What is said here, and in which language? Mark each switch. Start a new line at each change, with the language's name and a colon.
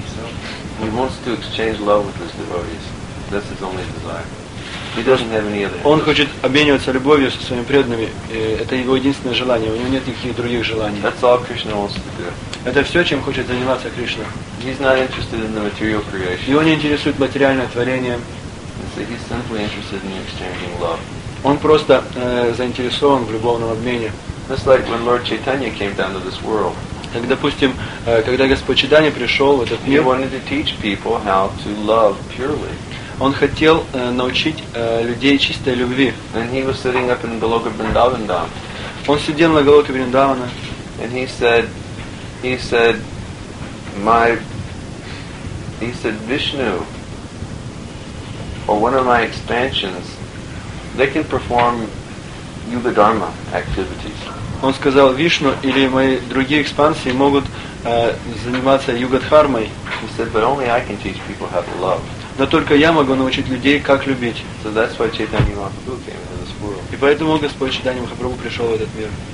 English: He wants to exchange love with his devotees. That's his only desire. He doesn't have any other.
Russian: Он хочет обмениваться любовью со своими преданными. Это его единственное желание. У него нет никаких других желаний.
English: That's all Krishna wants to do.
Russian: Это все, чем хочет заниматься Кришна.
English: He's not interested in the material creation.
Russian: Его не интересует материальное творение.
English: He's simply interested in exchanging love.
Russian: Он просто заинтересован в любовном обмене.
English: That's like when Lord Chaitanya came down to this world.
Russian: Так, допустим, когда Господь Чайтанья пришел в этот мир,
English: he wanted to teach people how to love purely.
Russian: Он хотел научить людей чистой любви.
English: And he was sitting up in Goloka Vrindavan.
Russian: Он сидел на Голоке Вриндавана.
English: And he said Vishnu, or one of my expansions, they can perform Yuga Dharma activities.
Russian: Он сказал, Вишну или мои другие экспансии могут заниматься Юга-дхармой.
English: He said, but only I can teach people how to love.
Russian: Но только я могу научить людей, как любить.
English: So that's why Chaitanya Mahaprabhu came into this world.
Russian: И поэтому Господь Чайтанья Махапрабху пришел в этот мир.